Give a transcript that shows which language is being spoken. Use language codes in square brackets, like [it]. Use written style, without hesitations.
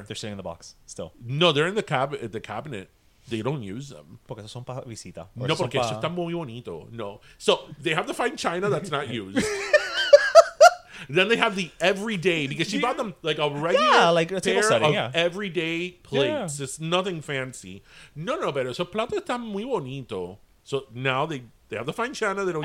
[en] They're sitting in the box still. No, they're in the cabinet. They don't use them. [es] Porque son para visita. No, porque eso está muy bonito. No. [en] So they have the fine china that's not used. Then they have the everyday, because she bought them like a regular like a table pair setting, of everyday plates. Yeah. It's nothing fancy. [es] No, no, pero eso plato está muy bonito. [en] So now they have the fine china they don't